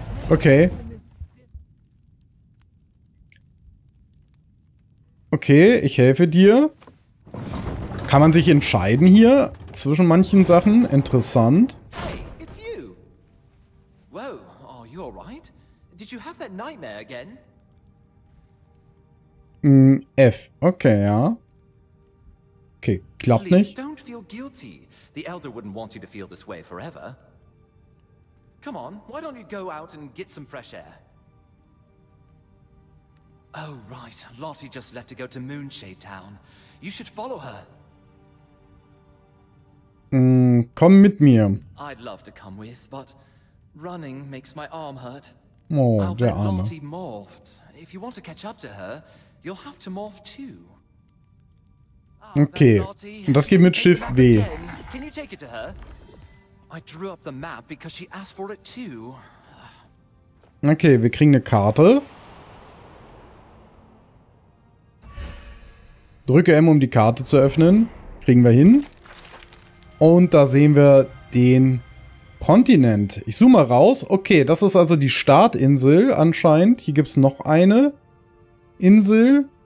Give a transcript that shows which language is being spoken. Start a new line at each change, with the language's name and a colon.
German: Okay. Okay, ich helfe dir. Kann man sich entscheiden hier zwischen manchen Sachen?
English: Interessant. Hey, it's you. Whoa, are you all right? Did you have that nightmare again?
German: F. Okay, ja. Okay, klappt nicht.
English: Don't feel guilty. The Elder wouldn't want you to feel this way forever. Come on, why don't you go out and get some fresh air? Oh, right. Lottie just left to go to Moonshade Town. You should follow her.
German: Komm mit mir.
English: I'd love to come with, but running makes my arm hurt.
German: Oh, der Arme.
English: Lottie morphed. If you want to catch up to her, you'll have to morph too. Okay.
German: Und das geht mit Schiff W.
English: Can you take it to her? I drew up the map because she asked for it too.
German: Okay, wir kriegen eine Karte. Drücke M, um die Karte zu öffnen. Kriegen wir hin. Und da sehen wir den Kontinent. Ich zoome mal raus. Okay, das ist also die Startinsel anscheinend. Hier gibt es noch eine Insel.